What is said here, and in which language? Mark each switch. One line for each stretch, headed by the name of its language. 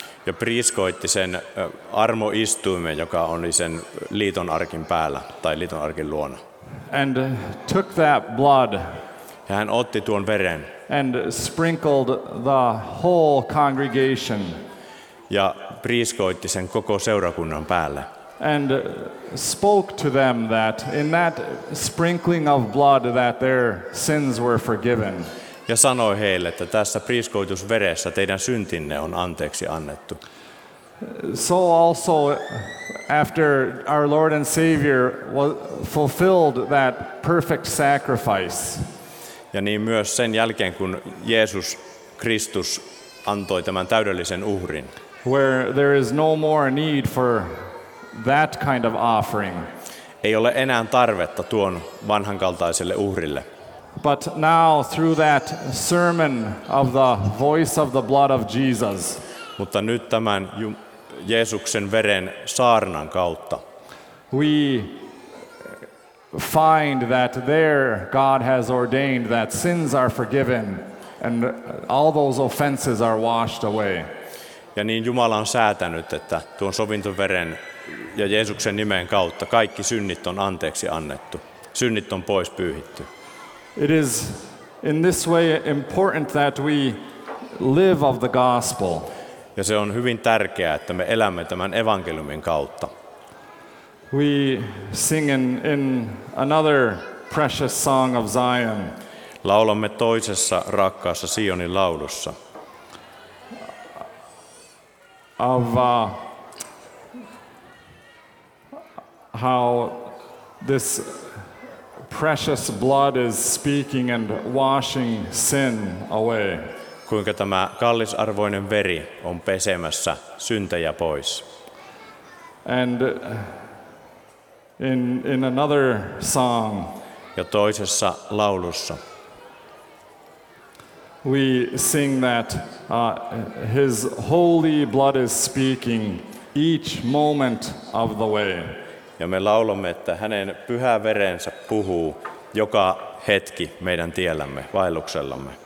Finnish: Ja priiskoitti sen armoistuimen, joka oli sen liiton arkin päällä tai liiton arkin luona.
English: And took that blood.
Finnish: Ja hän otti tuon veren.
English: And sprinkled the whole congregation.
Finnish: Ja priiskoitti sen koko seurakunnan päälle.
English: And spoke to them that in that sprinkling of blood that their sins were forgiven.
Finnish: Ja sanoi heille, että tässä priiskoitusveressä teidän syntinne on anteeksi annettu.
English: So also after our Lord and Savior fulfilled that perfect sacrifice.
Finnish: Ja niin myös sen jälkeen, kun Jeesus Kristus antoi tämän täydellisen uhrin.
English: Where there is no more need for that kind of offering.
Finnish: Ei ole enää tarvetta tuon vanhan kaltaiselle uhrille.
English: But now through that sermon of the voice of the blood of Jesus.
Finnish: Mutta nyt tämän Jeesuksen veren saarnan kautta.
English: We find that there God has ordained that sins are forgiven and all those offenses are washed away.
Finnish: Ja niin Jumala on säätänyt, että tuon sovintoveren ja Jeesuksen nimen kautta kaikki synnit on anteeksi annettu. Synnit on pois pyyhitty.
English: It is in this way important that we live of the gospel.
Finnish: Ja se on hyvin tärkeää, että me elämme tämän evankeliumin kautta.
English: We sing in another precious song of Zion.
Finnish: Laulamme toisessa rakkaassa Sionin laulussa.
English: Of how this precious blood is speaking and washing sin away.
Finnish: Kuinka tämä kallisarvoinen veri on pesemässä syntejä pois.
English: And in another song,
Finnish: ja toisessa laulussa,
English: we sing that his holy blood is speaking each moment of the way.
Finnish: Ja me laulamme, että hänen pyhä verensä puhuu joka hetki meidän tiellämme, vaelluksellamme.